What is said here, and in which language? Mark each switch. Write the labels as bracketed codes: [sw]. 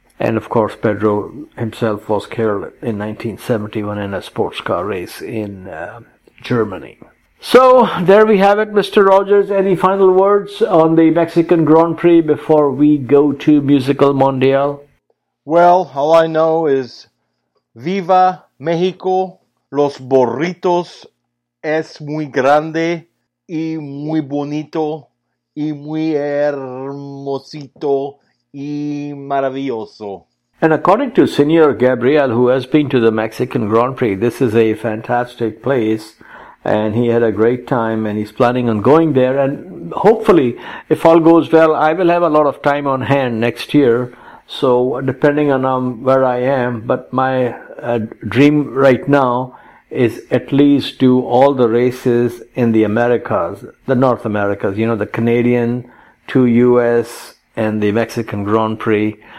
[en] And of course, Pedro himself was killed in 1971 in a sports car race in Germany. So, there we have it, Mr. Rogers. Any final words on the Mexican Grand Prix before we go to Musical Mundial? Well, all I know is [es] Viva México, los burritos es muy grande y muy bonito y muy hermosito y maravilloso. [en] And according to Señor Gabriel, who has been to the Mexican Grand Prix, this is a fantastic place. And he had a great time and he's planning on going there. And hopefully, if all goes well, I will have a lot of time on hand next year. So depending on where I am, but my dream right now is at least do all the races in the Americas, the North Americas, you know, the Canadian, two US and the Mexican Grand Prix.